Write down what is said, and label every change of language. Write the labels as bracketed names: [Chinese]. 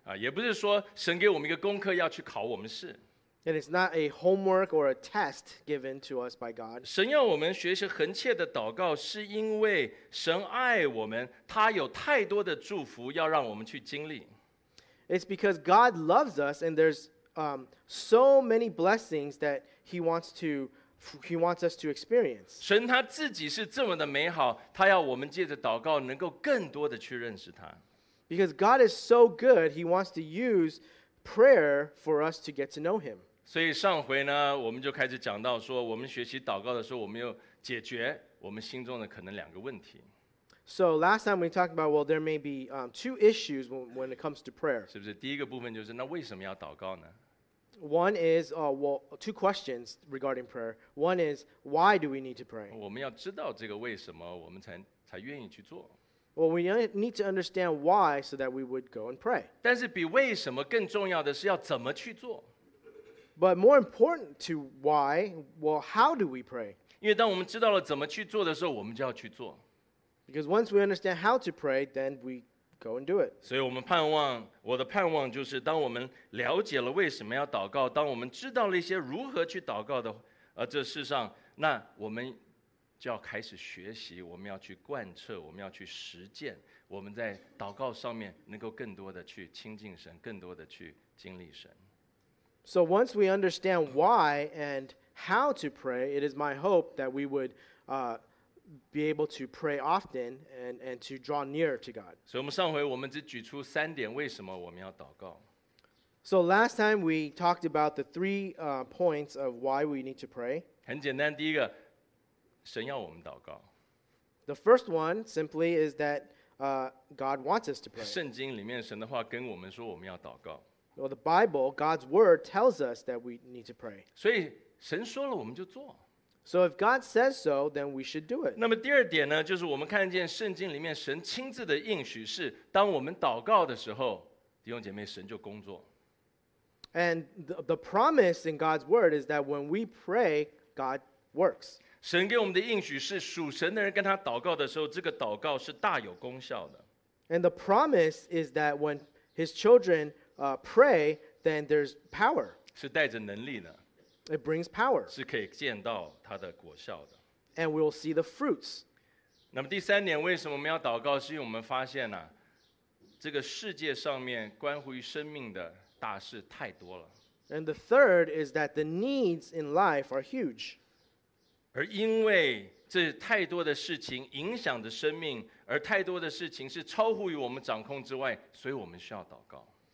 [Chinese] 也不是说神给我们一个功课要去考我们试。 [English] And it's not a homework or a test given to us by God. [Chinese] 神要我们学习恒切的祷告，是因为神爱我们，他有太多的祝福要让我们去经历。 [English] It's because God loves us, and there's so many blessings that He wants us to experience. [Chinese] 神他自己是这么的美好，他要我们借着祷告能够更多的去认识他。 [English] Because God is so good, He wants to use prayer for us to get to know Him. [Chinese] 所以上回呢，我们就开始讲到说，我们学习祷告的时候，我们要解决我们心中的可能两个问题。 [English] So last time we talked about, well, there may be two issues when it comes to prayer. [Chinese] 是不是第一个部分就是那为什么要祷告呢？ [English] One is two questions regarding prayer. One is why do we need to pray? [Chinese] 我们要知道这个为什么，我们才愿意去做。 [English] Well, we need to understand why so that we would go and pray. [Chinese] 但是比为什么更重要的是要怎么去做。 [English] But more important to why, well, how do we pray? [Chinese] 因为当我们知道了怎么去做的时候，我们就要去做。 [English] Because once we understand how to pray, then we go and do it. [Chinese] 所以我们盼望，我的盼望就是当我们了解了为什么要祷告，当我们知道了一些如何去祷告的，这世上，那我们就要开始学习，我们要去贯彻，我们要去实践，我们在祷告上面能够更多的去亲近神，更多的去经历神。 [English] So once we understand why and how to pray, it is my hope that we would be able to pray often and to draw near to God. [Chinese] 所以我们上回我们只举出三点为什么我们要祷告。 [English] So last time we talked about the three points of why we need to pray. [Chinese] 很简单，第一个，神要我们祷告。 [English] The first one simply is that God wants us to pray. [Chinese] 圣经里面神的话跟我们说我们要祷告。 [English] Well, the Bible, God's word, tells us that we need to pray. [Chinese] 所以神说了我们就做。 [English] So if God says so, then we should do it. [Chinese] 那么第二点呢，就是我们看见圣经里面神亲自的应许是，当我们祷告的时候，弟兄姐妹，神就工作。 [English] And the promise in God's word is that when we pray, God works. [Chinese] 神给我们的应许是，属神的人跟他祷告的时候，这个祷告是大有功效的。 [English] And the promise is that when his children pray, then there's power. [Chinese] 是带着能力的。 [English] It brings power. [Chinese] 是可以见到它的果效的。 [English] And we'll see the fruits. [Chinese] 那么第三点，为什么我们要祷告？是因为我们发现呢、啊，这个世界上面关乎于生命的大事太多了。 [English] And the third is that the needs in life are huge. [Chinese] 而因为这太多的事情影响着生命，而太多的事情是超乎于我们掌控之外，所以我们需要祷告。